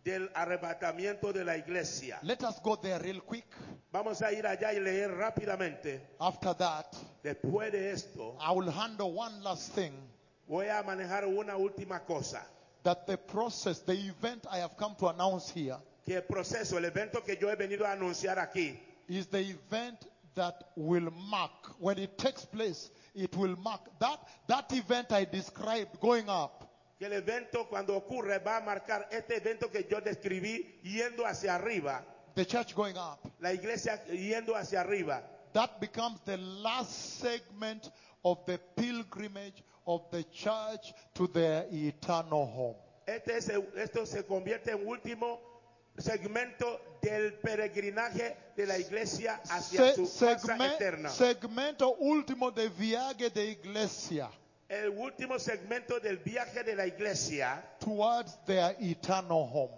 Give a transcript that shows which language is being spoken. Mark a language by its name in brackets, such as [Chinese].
[Spanish] Del arrebatamiento de la iglesia. [English] Let us go there real quick. [Spanish] Vamos a ir allá y leer rápidamente. [English] After that, [Spanish] después de esto, [English] I will handle one last thing. [Spanish] Voy a manejar una última cosa. [English] That the process, the event I have come to announce here, [Spanish] que el proceso, el evento que yo he venido a anunciar aquí, [English] is the event that will mark, when it takes place, it will mark that event I described going up. [Spanish] Que el evento cuando ocurre va a marcar este evento que yo describí yendo hacia arriba. [English] The church going up. [Spanish] La iglesia yendo hacia arriba. [English] That becomes the last segment of the pilgrimage of the church to their eternal home. [Spanish] Esto se convierte en último segmento del peregrinaje de la iglesia hacia su casa eterna. Segmento último de viaje de iglesia. El último segmento del viaje de la iglesia [English] towards their eternal home.